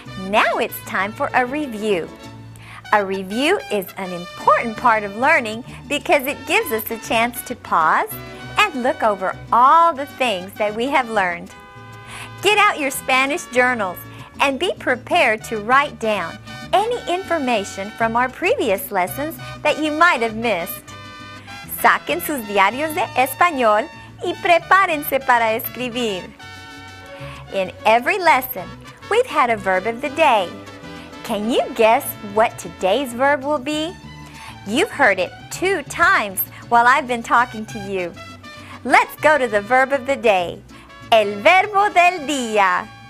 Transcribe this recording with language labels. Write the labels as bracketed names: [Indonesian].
[English] Now it's time for a review. A review is an important part of learning because it gives us a chance to pause and look over all the things that we have learned. Get out your Spanish journals and be prepared to write down any information from our previous lessons that you might have missed. [Spanish] Saquen sus diarios de español y prepárense para escribir. [English] In every lesson, we've had a verb of the day. Can you guess what today's verb will be? You've heard it two times while I've been talking to you. Let's go to the verb of the day. [Spanish] El verbo del día.